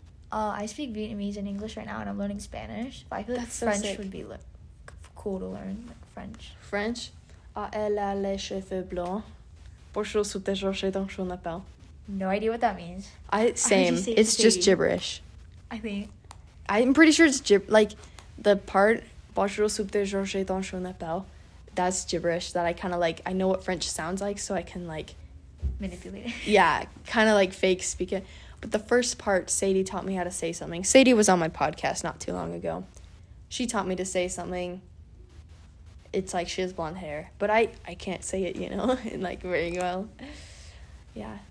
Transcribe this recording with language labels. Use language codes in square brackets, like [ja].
[en] I speak Vietnamese and English right now, and I'm learning Spanish. But I feel that's like French so sick. Would be cool to learn, like French. French? [fr] Elle a les cheveux blancs. Bonjour, sous tes jours, dans son appel. [en] No idea what that means. Same. It's just gibberish. I think. I'm pretty sure it's gibberish. Like, the part, [fr] bonjour, sous tes jours, dans son appel. [en] That's gibberish that I kind of like. I know what French sounds like, so I can like manipulate it. Yeah, kind of like fake speak it. But the first part, Sadie taught me how to say something. Sadie was on my podcast not too long ago. She taught me to say something. It's like she has blonde hair, but I can't say it, you know, and like very well. Yeah.